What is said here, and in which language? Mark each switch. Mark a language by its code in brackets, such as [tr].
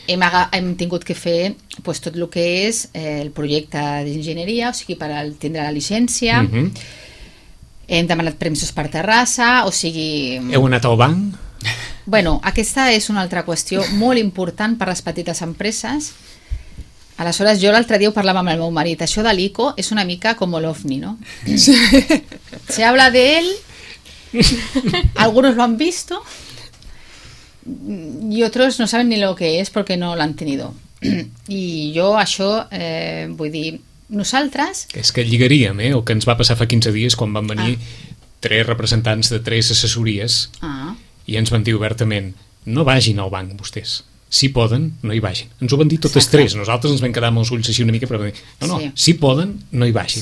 [ca] Hem tingut que fer pues, tot el que és el projecte d'enginyeria, o sigui, per tindre la llicència. Hem demanat permisos per Terrassa, o sigui... Heu anat al banc? Bueno, aquesta és una altra qüestió molt important per les petites empreses. Aleshores, jo l'altre dia ho parlava amb el meu marit. Això de l'ICO és una mica com l'OVNI, no? [es] Se habla [ca] d'ell, [es] algunos lo han visto... Y otros no saben ni lo que es porque no lo han tenido. Y yo [ca] això, vull dir, nosaltres... És que lligaríem, el que ens va passar fa 15 dies quan van venir tres representants de tres assessories i ens van dir obertament, no vagin al banc vostès, si poden, no hi vagin. Ens ho van dir totes tres, nosaltres ens vam quedar amb els ulls així una mica, però van dir, no, si poden, no hi vagin.